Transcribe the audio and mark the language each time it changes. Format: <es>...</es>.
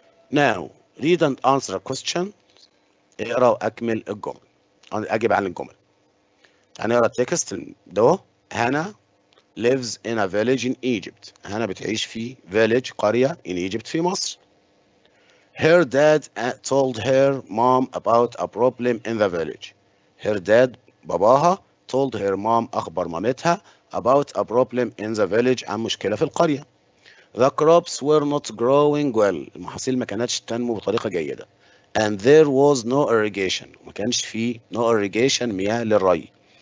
<en>Now read and answer a question.</en> <ar>اقرأ وأكمل الجمل، أجب عن الجمل. هنقرأ التكست ده.</ar> <en>Hannah lives in a village in Egypt.</en> <ar>هانا بتعيش في village قرية</ar> <en>in Egypt</en> <ar>في مصر.</ar> <en>Her dad told her mom about a problem in the village. Her dad</en> <ar>باباها</ar> <en>told her mom</en> <ar>أخبر مامتها</ar> <en>about a problem in the village</en> <ar>عن مشكلة في القرية.</ar> <en>The crops were not growing well.</en> <ar>المحاصيل ما كانتش تنمو بطريقة جيدة.</ar> <en>And there was no irrigation.</en> <ar>ما كانش في</ar> <en>no irrigation</en> <ar>مياه للري.</ar>